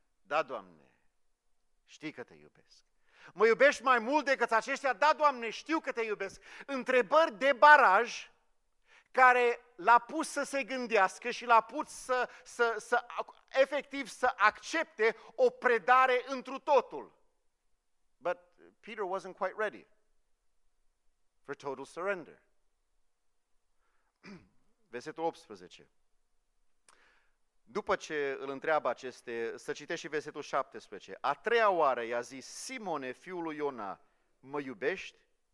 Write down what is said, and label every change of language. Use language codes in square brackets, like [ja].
[ro] Da, Doamne, știi că te iubesc. Mă iubești mai mult decât aceștia? Da, Doamne, știu că te iubesc. Întrebări de baraj care l-a pus să se gândească și l-a pus să efectiv să accepte o predare întru totul. [en] But Peter wasn't quite ready for total surrender. [ro] Versetul 18. După ce îl întreabă aceste, să citești și versetul 17. A treia oară i-a zis, Simone, fiul lui Iona, mă iubești?